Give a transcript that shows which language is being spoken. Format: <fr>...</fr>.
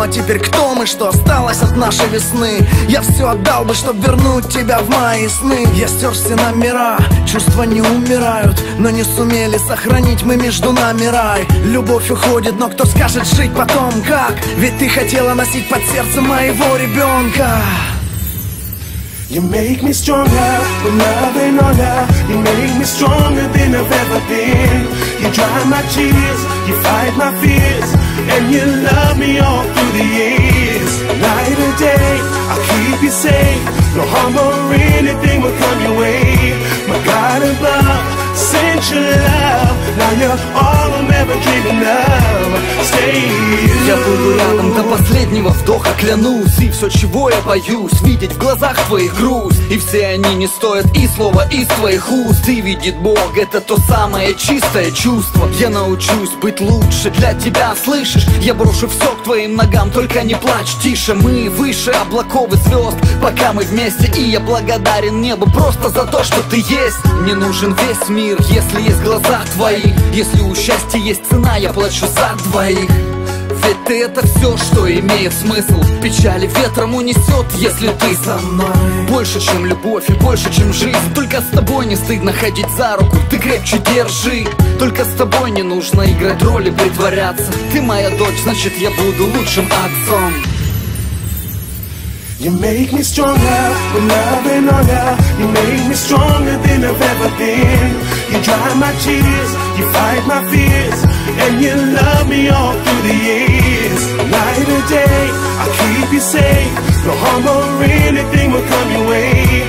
<ru>А теперь кто мы, что осталось от нашей весны? Я все отдал бы, чтоб вернуть тебя в мои сны. Я стер все номера, чувства не умирают, но не сумели сохранить мы между нами рай. Любовь уходит, но кто скажет жить потом как? Ведь ты хотела носить под сердце моего ребенка.</ru> <en>You make me stronger, when nothing on ya. You make me stronger than I've ever been. You dry my tears, you fight my fears, and you love me all through the years. Night and day, I'll keep you safe. No harm or anything will come your way. My God above, sent your love. Now you're all I'm ever dreaming of. Stay you.</en> <ru>Я буду рядом до последнего вдоха, клянусь. И все, чего я боюсь, видеть в глазах твоих грусть. И все они не стоят и слова из твоих уст. И видит Бог, это то самое чистое чувство. Я научусь быть лучше для тебя, слышишь? Я брошу все к твоим ногам, только не плачь, тише. Мы выше облаков и звезд, пока мы вместе. И я благодарен небу просто за то, что ты есть. Мне нужен весь мир, если есть глаза твои. Если у счастья есть цена, я плачу за двоих. Ведь ты это все, что имеет смысл. Печали ветром унесет, если ты со мной. Больше, чем любовь и больше, чем жизнь. Только с тобой не стыдно ходить за руку, ты крепче держи. Только с тобой не нужно играть роли, притворяться. Ты моя дочь, значит я буду лучшим отцом.</ru> <en>You make me stronger, when loving on ya. You make me stronger than I've ever been. You dry my tears, you fight my fears, and you love me all through the years. Night and day, I'll keep you safe. No harm or anything will come your way.</en>